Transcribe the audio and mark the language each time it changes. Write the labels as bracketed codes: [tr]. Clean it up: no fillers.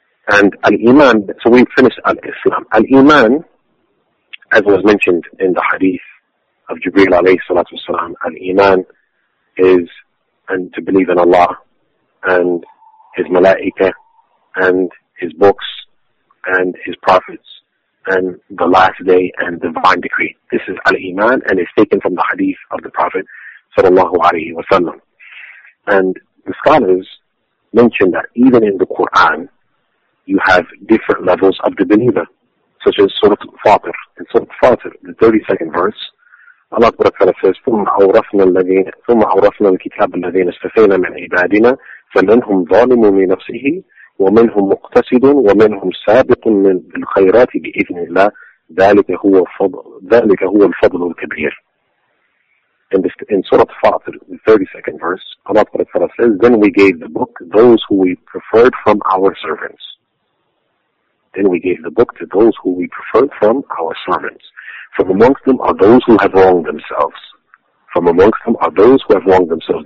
[en] And Al-Iman, so we finished Al-Islam. Al-Iman, as was mentioned in the hadith of Jibreel alayhi salatu wasalam, Al-Iman is and to believe in Allah and His Malaika and His books and His prophets and the last day and divine decree. This is Al-Iman, and it's taken from the hadith of the Prophet sallallahu alayhi wa sallam. And the scholars mention that even in the Quran, you have different levels of the believer. such as Surah Fatir. In Surah Fatir, the 32nd verse, Allah Ta'ala says, [ar] ثُمَّ أَوْرَثْنَا الْكِتَابَ الَّذِينَ اسْتَفَيْنَا مِنْ عِبَادِنَا فَمِنْهُمْ ظَالِمٌ لِنَفْسِهِ وَمِنْهُمْ مُقْتَصِدٌ وَمِنْهُمْ سَابِقٌ مِنْ الْخَيْرَاتِ بِإِذْنِ اللَّهِ ذَلِكَ هُوَ الْفَضْلُ الْكَبِيرُ. [en] In Surah Fatir, the 32nd verse, Allah Ta'ala says, then we gave the book those who we preferred from our servants. Then we gave the book to those who we preferred from our servants. From amongst them are those who have wronged themselves. From amongst them are those who have wronged themselves.